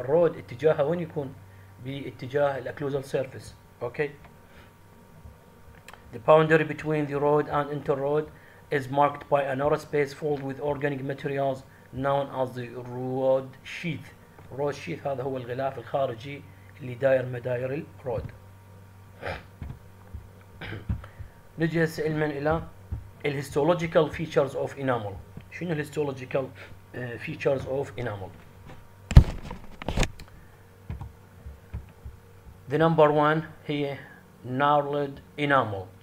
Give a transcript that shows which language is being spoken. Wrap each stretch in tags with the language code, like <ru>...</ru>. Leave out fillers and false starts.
<ar>الرود اتجاهها وين يكون؟ باتجاه الاكلوزال سيرفيس اوكي.</ar> <en>The boundary between the road and inter road is marked by a narrow space filled with organic materials known as the road sheath.</en> <ar>Road sheath هذا هو الغلاف الخارجي اللي داير مداير الرود. نجي هسه المن الى الهيستولوجيكال فيتشرز اوف انامل. شنو الهيستولوجيكال فيتشرز اوف انامل؟</ar> <en>The number one</en> <ar>هي</ar> <en>gnarled enamel.</en>